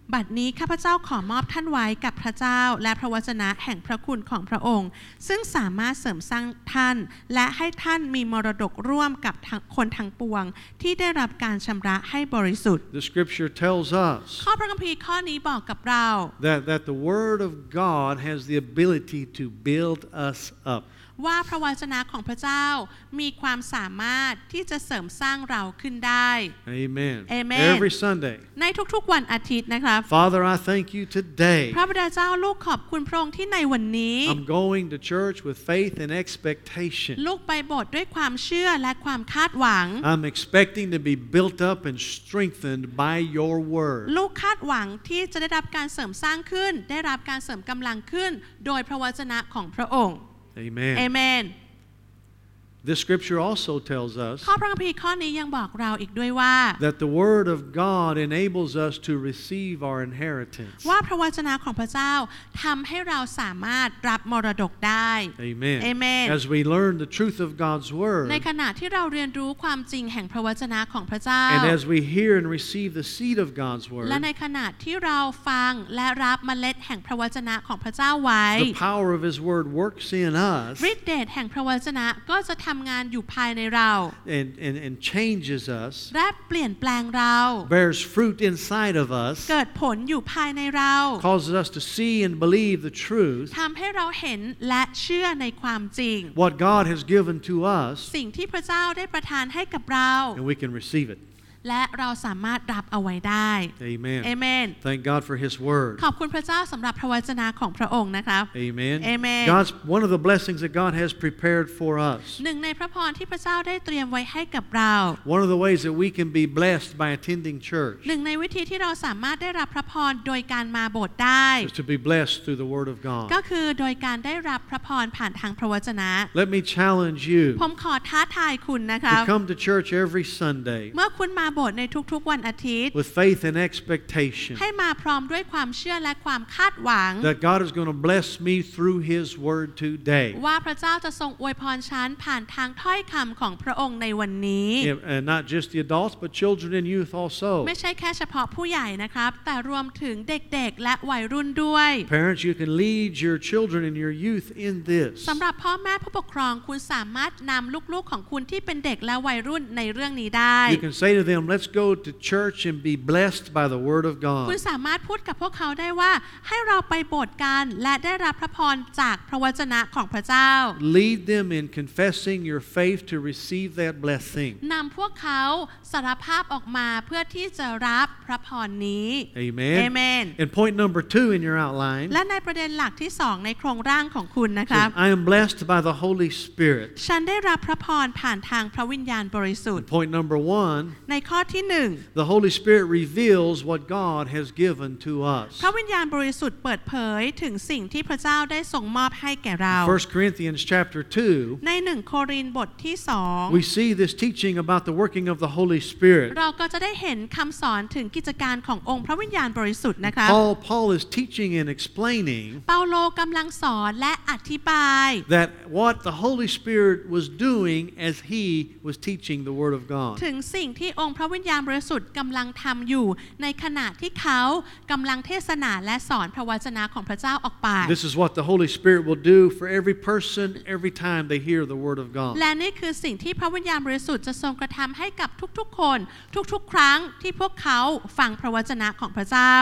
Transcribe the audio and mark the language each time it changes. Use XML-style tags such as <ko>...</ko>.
<th>บัดนี้ข้าพเจ้าขอมอบท่านไว้กับพระเจ้าและพระวจนะแห่งพระคุณของพระองค์ซึ่งสามารถเสริมสร้างท่านและให้ท่านมีมรดกร่วมกับคนทั้งปวงที่ได้รับการชำระให้บริสุทธิ์</th> <en>The scripture tells us</en> <th>ข้อพระคัมภีร์ข้อนี้บอกกับเรา</th> <en>that the word of God has the ability to build us up.</en> <th>ว่าพระวจนะของพระเจ้ามีความสามารถที่จะเสริมสร้างเราขึ้นได้</th> <en>Amen. Amen. Every Sunday.</en> <th>ในทุกๆวันอาทิตย์นะครับ</th> <en>Father, I thank you today.</en> <th>พระบิดาเจ้าลูกขอบคุณพระองค์ที่ในวันนี้</th> <en>I'm going to church with faith and expectation.</en> <th>ลูกไปโบสถ์ด้วยความเชื่อและความคาดหวัง</th> <en>I'm expecting to be built up and strengthened by your word.</en> <th>ลูกคาดหวังที่จะได้รับการเสริมสร้างขึ้นได้รับการเสริมกำลังขึ้นโดยพระวจนะของพระองค์</th> <en>Amen. Amen. This scripture also tells us</en> <th>ข้อพระคัมภีร์ข้อนี้ยังบอกเราอีกด้วยว่า</th> <en>that the word of God enables us to receive our inheritance.</en> <th>ว่าพระวจนะของพระเจ้าทำให้เราสามารถรับมรดกได้</th> <en>Amen. Amen. As we learn the truth of God's word</en> <th>ในขณะที่เราเรียนรู้ความจริงแห่งพระวจนะของพระเจ้า</th> <en>and as we hear and receive the seed of God's word</en> <th>และในขณะที่เราฟังและรับเมล็ดแห่งพระวจนะของพระเจ้าไว้</th> <en>the power of His word works in us</en> <th>ฤทธิ์เดชแห่งพระวจนะก็จะทำงานอยู่ภายในเรา</th> <en>and changes us</en> <th>และเปลี่ยนแปลงเรา</th> <en>bears fruit inside of us</en> <th>เกิดผลอยู่ภายในเรา</th> <en>causes us to see and believe the truth</en> <th>ทำให้เราเห็นและเชื่อในความจริง</th> <en>what God has given to us</en> <th>สิ่งที่พระเจ้าได้ประทานให้กับเรา</th> <en>and we can receive it</en> <th>และเราสามารถรับเอาไว้ได้</th> <en>Amen. Amen. Thank God for His Word.</en> <th>ขอบคุณพระเจ้าสำหรับพระวจนะของพระองค์นะครับ</th> <en>Amen. Amen. God's one of the blessings that God has prepared for us.</en> <th>หนึ่งในพระพรที่พระเจ้าได้เตรียมไว้ให้กับเรา</th> <en>One of the ways that we can be blessed by attending church.</en> <th>หนึ่งในวิธีที่เราสามารถได้รับพระพรโดยการมาโบสถ์ได้</th> <en>Is to be blessed through the Word of God.</en> <th>ก็คือโดยการได้รับพระพรผ่านทางพระวจนะ</th> <en>Let me challenge you.</en> <th>ผมขอท้าทายคุณนะครับ</th> <en>To come to church every Sunday.</en> <th>เมื่อคุณมาโบสถ์ในทุกๆวันอาทิตย์</th> <en>With faith and expectation</en> <th>ให้มาพร้อมด้วยความเชื่อและความคาดหวัง</th> <en>That God is going to bless me through His word today</en> <th>ว่าพระเจ้าจะทรงอวยพรฉันผ่านทางถ้อยคำของพระองค์ในวันนี้</th> <en>yeah, and not just the adults but children and youth also</en> <th>ไม่ใช่แค่เฉพาะผู้ใหญ่นะครับแต่รวมถึงเด็กๆและวัยรุ่นด้วย</th> <en>Parents you can lead your children and your youth in this</en> <th>สำหรับพ่อแม่ผู้ปกครองคุณสามารถนำลูกๆของคุณที่เป็นเด็กและวัยรุ่นในเรื่องนี้ได้</th> <en>You can say to themLet's go to church and be blessed by the word of God.</en> <th>คุณสามารถพูดกับพวกเขาได้ว่าให้เราไปโบสถ์กันและได้รับพระพรจากพระวจนะของพระเจ้า</th> <en>Lead them in confessing your faith to receive that blessing.</en> <th>นำพวกเขาสารภาพออกมาเพื่อที่จะรับพระพรนี้</th> <en>Amen. Amen. And point number two in your outline.</en> <th>และในประเด็นหลักที่สองในโครงร่างของคุณนะครับ</th> <en>I am blessed by the Holy Spirit.</en> <th>ฉันได้รับพระพรผ่านทางพระวิญญาณบริสุทธิ์</th> <en>Point number one.</en> <th>ในข้อที่หนึ่ง</th> <en>The Holy Spirit reveals what God has given to us.</en> <th>พระวิญญาณบริสุทธิ์เปิดเผยถึงสิ่งที่พระเจ้าได้ทรงมอบให้แก่เรา</th> <en>First Corinthians chapter 2.</en> <th>ในหนึ่งโครินธ์บทที่สอง</th> <en>We see this teaching about the working of the Holy Spirit.</en> <th>เราก็จะได้เห็นคำสอนถึงกิจการขององค์พระวิญญาณบริสุทธิ์นะคะ</th> <en>Paul is teaching and explaining.</en> <th>เปาโลกำลังสอนและอธิบาย</th> <en>that what the Holy Spirit was doing as he was teaching the Word of God.</en> <th>ถึงสิ่งที่องค์พระวิญญาณบริสุทธิ์กำลังทำอยู่ในขณะที่เขากำลังเทศนาและสอนพระวจนะของพระเจ้าออกไป</th> <en>This is what the Holy Spirit will do for every person every time they hear the word of God</en> <th>และนี่คือสิ่งที่พระวิญญาณบริสุทธิ์จะทรงกระทำให้กับทุกๆคนทุกๆครั้งที่พวกเขาฟังพระวจนะของพระเจ้า</th>